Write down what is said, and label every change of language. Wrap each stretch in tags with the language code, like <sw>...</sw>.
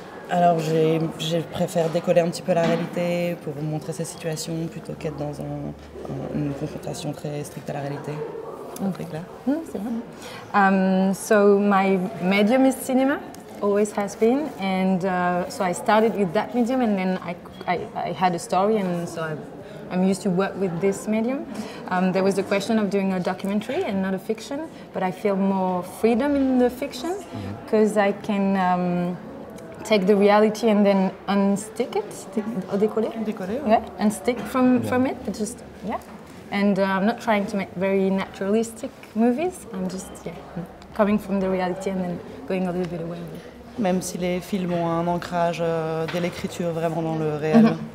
<fr>Alors j'ai préféré décoller un petit peu la réalité pour vous montrer cette situation plutôt qu'être dans une confrontation très stricte à la réalité. Okay. Clair. Mm, c'est vrai.</fr> <en>So my medium is cinema, always has been, and so I started with that medium and then I had a story and so I'm used to work with this medium. There was the question of doing a documentary and not a fiction, but I feel more freedom in the fiction because I can take the reality and then unstick it,</en> <fr>décoller.</fr> <en>Yeah, unstick from it, but just, yeah. And I'm not trying to make very naturalistic movies, I'm just, yeah, coming from the reality and then going a little bit away.</en> <fr>Même si les films ont un ancrage dès l'écriture vraiment dans le réel.</fr>